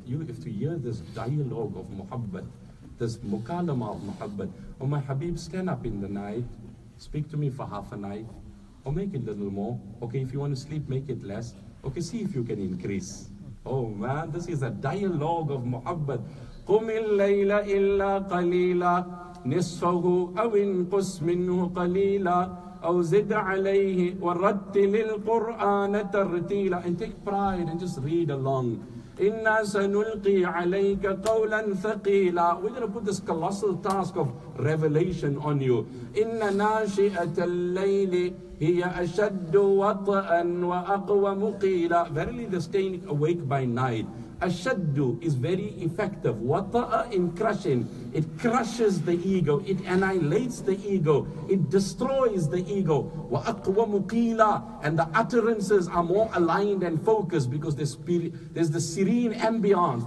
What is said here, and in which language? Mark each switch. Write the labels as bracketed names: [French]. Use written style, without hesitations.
[English] You, if you hear this dialogue of muhabbat, this mukalama of muhabbat, oh my Habib, stand up in the night, speak to me for half a night, or make it a little more. Okay, if you want to sleep, make it less. Okay, see if you can increase. Oh man, this is a dialogue of muhabbat. [Arabic] قُمِ اللَّيْلَ إِلَّا قَلِيلًا نصفه أو انقص منه قليلا أو زد عليه ورتل القرآن ترتيلا. [English] And take pride and just read along. [Arabic] إنا سنلقي عليك قولا ثقيلا. [English] We're going to put this colossal task of revelation on you. [Arabic] إن ناشئة الليل هي أشد وطئا وأقوى مقيلا. [English] Verily the staying awake by night, Ashaddu is very effective. Wata'a in crushing. It crushes the ego. It annihilates the ego. It destroys the ego. [Arabic] Wa aqwa muqila. [English] And the utterances are more aligned and focused because there's the serene ambience.